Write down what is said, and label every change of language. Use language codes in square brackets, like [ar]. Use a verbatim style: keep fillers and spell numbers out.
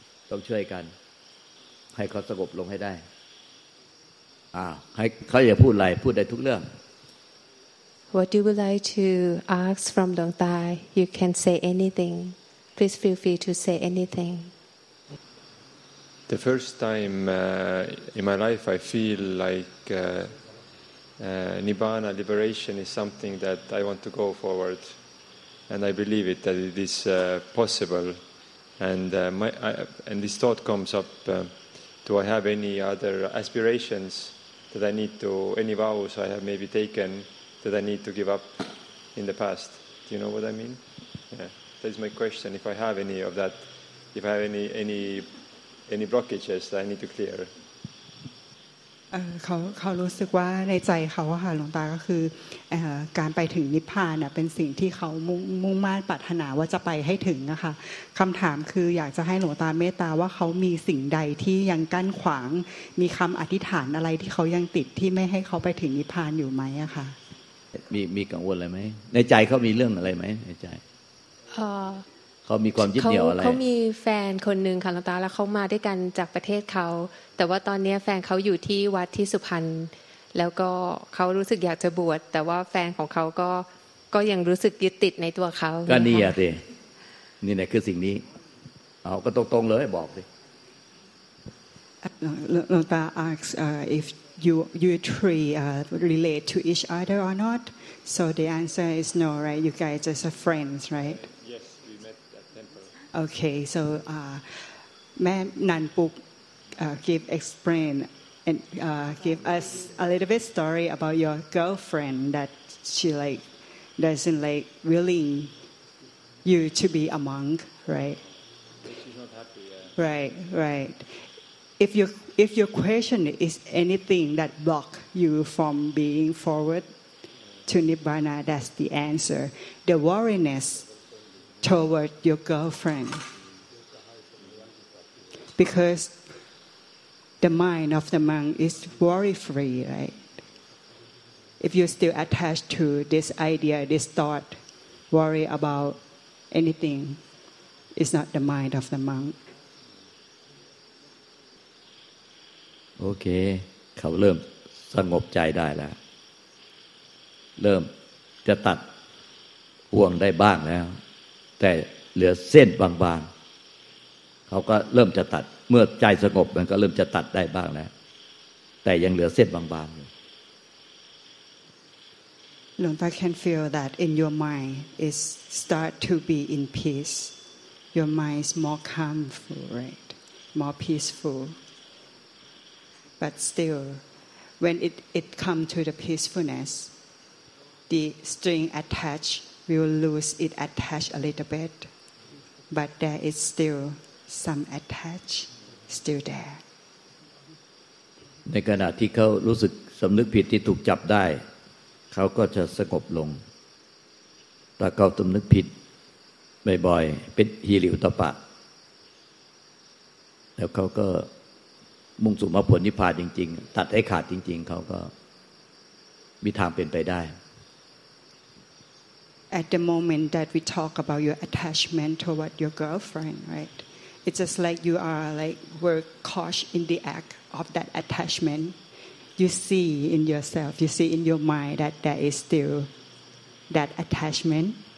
[th] ต้องช่วยกันให้เขาสงบลงให้ได้อ่าให้เขาอย่าพูดอะไรพูดได้ทุกเรื่อง [en] What do you like to ask from Dong Tai? You can say anything. Please feel free to say anything. The first time uh, in my life I feel like uh, uh, Nibbana liberation is something that I want to go forward and I believe it that it is uh, possible and uh, my I, and this thought comes up uh, do I have any other aspirations that I need to, any vows I have maybe taken that I need to give up in the past? Do you know what I mean? Yeah. That's my question, if I have any of that, if I have any any, any blockages that I need to clear. [th] เอ่อเขาเขารู้สึกว่าในใจเขาอะค่ะหลวงตาก็คือเอ่อการไปถึงนิพพานน่ะเป็นสิ่งที่เขามุ่งมั่นปรารถนาว่าจะไปให้ถึงนะคะคำถามคืออยากจะให้หลวงตาเมตตาว่าเขามีสิ่งใดที่ยังกั้นขวางมีคำอธิษฐานอะไรที่เขายังติดที่ไม่ให้เขาไปถึงนิพพานอยู่ไหมอะค่ะ มีมีกังวลอะไรไหมในใจเขามีเรื่องอะไรไหมในใจ เอ่อ เขามีความยึดเหนี่ยวอะไร เขามีแฟนคนนึงค่ะหลวงตาแล้วเขามาด้วยกันจากประเทศเขาแต่ว่าตอนนี้แฟนเขาอยู่ที่วัดที่สุพรรณแล้วก็เขารู้สึกอยากจะบวชแต่ว่าแฟนของเขาก็ก็ยังรู้สึกยึดติดในตัวเขา ก็นี่อ่ะสินี่แหละคือสิ่งนี้เอาก็ตรงๆเลยบอกสิ [en] หลวงตา asks if you you three uh, relate to each other or not so the answer is no right you guys just are friends right Okay, so uh, Ma'am Nan Puk uh, give explain and uh, give us a little bit story about your girlfriend that she like doesn't like willing you to be a monk, right? She's not happy. Yeah. Right, right. If you if your question is anything that block you from being forward to Nibbana, that's the answer. The worriness. toward your girlfriend because the mind of the monk is worry free right if you're still attached to this idea this thought worry about anything it's not the mind of the monk [th] okay เขาเริ่มสงบใจได้แล้วเริ่มจะตัดห่วงได้บ้างแล้วแต่เหลือเส้นบางๆเขาก็เริ่มจะตัดเมื่อใจสงบมันก็เริ่มจะตัดได้บ้างแล้วแต่ยังเหลือเส้นบางๆอยู่ [en] Longta can feel that in your mind is start to be in peace your mind is more calmful right more peaceful but still when it it come to the peacefulness the string attached We will lose it attached a little bit, but there is still some attached still there. [th] ในขณะที่เขารู้สึกสำนึกผิดที่ถูกจับได้เขาก็จะสงบลงถ้าเขาสำนึกผิดบ่อยๆเป็นฮีริอุตตปะแล้วเขาก็มุ่งสู่มรรคผลนิพพานจริงๆตัดให้ขาดจริงๆเขาก็มีทางเป็นไปได้ [en] At the moment that we talk about your attachment toward your girlfriend, right? It's just like you are like were caught in the act of that attachment. You see in yourself, you see in your mind that there is still that attachment.